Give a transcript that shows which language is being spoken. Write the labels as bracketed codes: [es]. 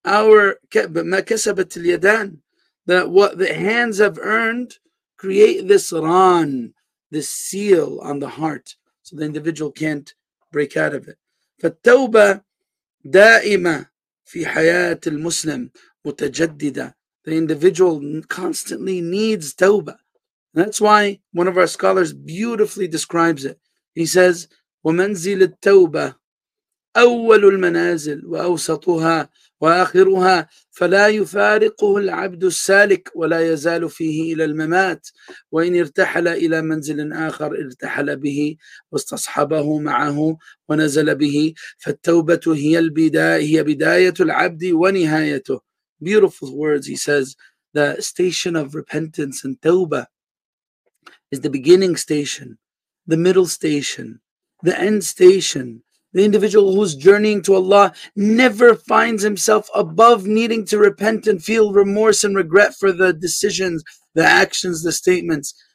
[en] Our [ar] مَا كَسَبَتِ الْيَدَانِ, [en] that what the hands have earned create this ran, this seal on the heart, so the individual can't break out of it. [ar] فَالتَّوْبَ دَائِمَ فِي حَيَاةِ الْمُسْلِمِ مُتَجَدِّدَ. [en] The individual constantly needs tawbah. That's why one of our scholars beautifully describes it. He says, [ar] ومنزل التوبة أول المنازل وأوسطها وآخرها فلا يفارقه العبد السالك ولا يزال فيه إلى الممات وإن ارتحل إلى منزل آخر ارتحل به واستصحبه معه ونزل به فالتوبة هي بداية العبد ونهايته. [en] Beautiful words, he says, the station of repentance and tawbah is the beginning station, the middle station, the end station. The individual who's journeying to Allah never finds himself above needing to repent and feel remorse and regret for the decisions, the actions, the statements.